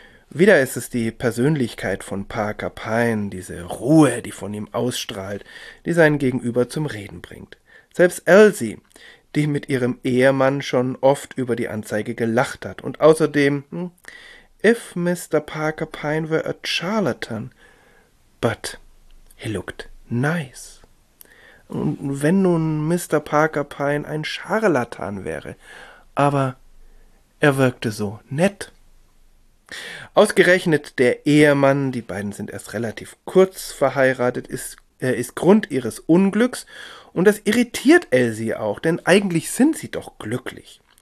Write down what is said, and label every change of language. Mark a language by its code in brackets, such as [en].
[de] Wieder ist es die Persönlichkeit von Parker Pyne, diese Ruhe, die von ihm ausstrahlt, die sein Gegenüber zum Reden bringt. Selbst Elsie, die mit ihrem Ehemann schon oft über die Anzeige gelacht hat. Und außerdem, [en] if Mr. Parker Pyne were a charlatan, but he looked nice. [de] Und wenn nun Mr. Parker Pyne ein Scharlatan wäre, aber er wirkte so nett. Ausgerechnet der Ehemann, die beiden sind erst relativ kurz verheiratet, ist Grund ihres Unglücks und das irritiert Elsie auch, denn eigentlich sind sie doch glücklich.